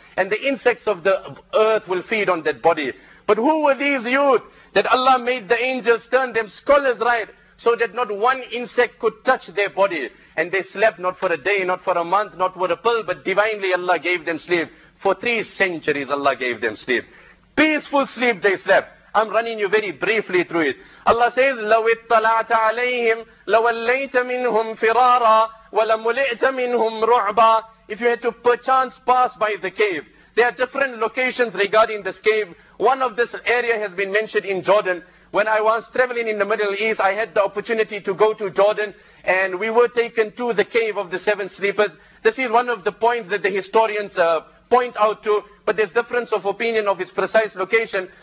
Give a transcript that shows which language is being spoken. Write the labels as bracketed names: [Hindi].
[English] And the insects of the earth will feed on that body. But who were these youth that Allah made the angels turn them? Scholars write, so that not one insect could touch their body. And they slept not for a day, not for a month, not for a pill, but divinely Allah gave them sleep. For 3 centuries Allah gave them sleep. Peaceful sleep they slept. I'm running you very briefly through it. Allah says, [Arabic] لَوِ اطَّلَعْتَ عَلَيْهِمْ لَوَلَّيْتَ مِنْهُمْ فِرَارًا وَلَمُلِئْتَ مِنْهُمْ رُعْبًا. [English] If you had to perchance pass by the cave, there are different locations regarding this cave. One of this area has been mentioned in Jordan. When I was traveling in the Middle East, I had the opportunity to go to Jordan, and we were taken to the cave of the 7 sleepers. This is one of the points that the historians point out to, but there's difference of opinion of its precise location.